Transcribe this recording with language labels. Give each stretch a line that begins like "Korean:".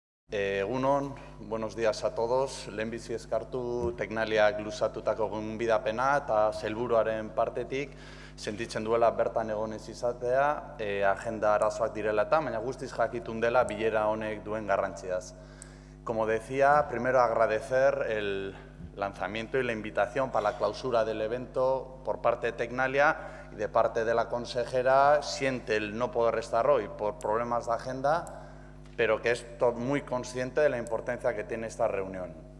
Basque: Egunon,
Spanish: buenos días a todos.
Basque: Lehenbizi eskartu teknaliak luzatutako gonbidapena eta helburuaren partetik sentitzen duela bertan egon ez izatea, agenda arazoak direla eta, baina guztiz jakitun dela bilera honek duen garrantziaz.
Spanish: Como decía, primero agradecer el lanzamiento y la invitación para la clausura del evento por parte de Tecnalia y de parte de la consejera. Siente el no poder estar hoy por problemas de agenda, pero que es muy consciente de la importancia que tiene esta reunión.